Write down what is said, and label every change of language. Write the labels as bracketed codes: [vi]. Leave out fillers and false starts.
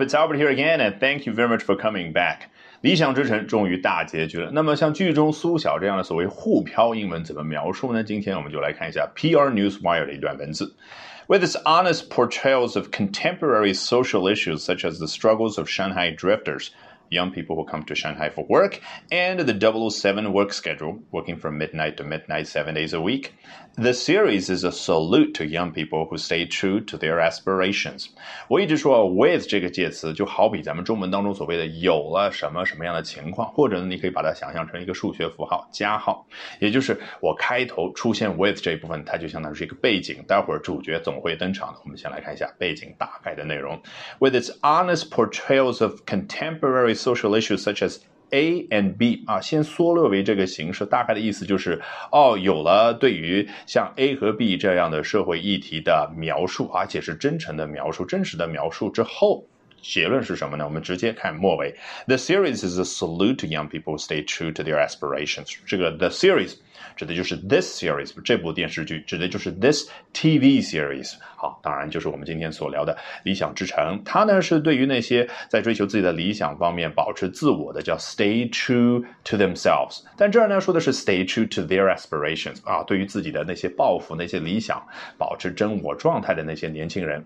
[en] It's Albert here again, and thank you very much for coming back. [zh] 理想之城终于大结局了。那么像剧中苏小这样的所谓沪漂英文怎么描述呢？今天我们就来看一下 PR Newswire 的一段文字。 [en] With its honest portrayals of contemporary social issues such as the struggles of Shanghai drifters, young people who come to Shanghai for work, and the 007 work schedule, working from midnight to midnight 7 days a week, the series is a salute to young people who stay true to their aspirations. [zh] 我一直说 with 这个介词就好比咱们中文当中所谓的有了什么什么样的情况，或者你可以把它想象成一个数学符号加号，也就是我开头出现 with 这一部分，它就相当于是一个背景，待会儿主角总会登场的。我们先来看一下背景大概的内容。 [en] With its honest portrayals of contemporary social issues such as A and B [zh] 啊，先缩略为这个形式，大概的意思就是哦，有了对于像 A 和 B 这样的社会议题的描述，而且是真诚的描述，真实的描述之后，结论是什么呢？我们直接看末尾。 [en] The series is a salute to young people who stay true to their aspirations. [zh] 这个 the series 指的就是 this series 这部电视剧，指的就是 this TV series。好，当然就是我们今天所聊的理想之城。它呢是对于那些在追求自己的理想方面保持自我的，叫 [en] stay true to themselves。 [zh] 但这儿呢说的是 [en] stay true to their aspirations [zh] 啊，对于自己的那些抱负，那些理想，保持真我状态的那些年轻人。